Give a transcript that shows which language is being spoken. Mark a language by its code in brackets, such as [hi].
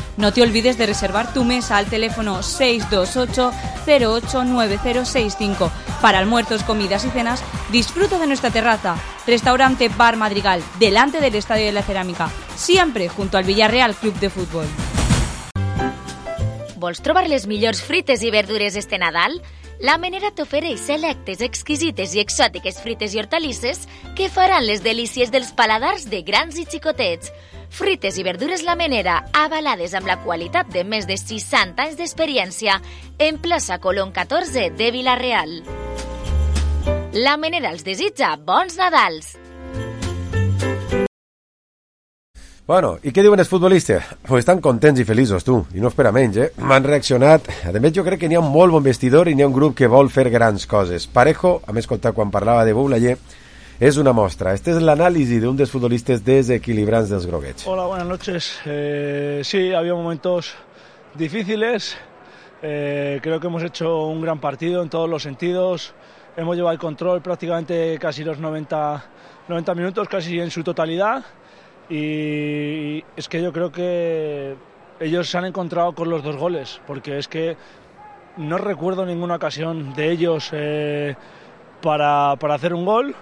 [es] No te olvides de reservar tu mesa al teléfono 628-089065. Para almuerzos, comidas y cenas, disfruta de nuestra terraza. Restaurante Bar Madrigal, delante del Estadio de la Cerámica. Siempre junto al Villarreal Club de Fútbol. [ca] ¿Vols trobar les millors frites i verdures este Nadal? La Menera t'ofereix selectes, exquisites i exòtiques frites i hortalisses que faran les delícies dels paladars de grans i xicotets. Frites i verdures La Menera, avalades amb la qualitat de més de 60 anys d'experiència, en plaça Colón 14 de Villarreal. La Menera els desitja bons Nadals! Bueno, i què diuen els futbolistes? Pues estan contents i feliços, tu, i no espera menys, eh? M'han reaccionat. A més, jo crec que n'hi ha un molt bon vestidor i n'hi ha un grup que vol fer grans coses. Parejo, a més, escoltar quan parlava de Boulayer, és una mostra. Esta és l'anàlisi d'un dels futbolistes desequilibrants dels groguets. [es] Hola, buenas noches. Sí, había momentos difíciles. Creo que hemos hecho un gran partido en todos los sentidos. hemos llevado el control prácticamente casi los 90 minutos, casi en su totalidad. Y es que yo creo que ellos se han encontrado con los dos goles, porque es que no recuerdo ninguna ocasión de ellos para hacer un gol.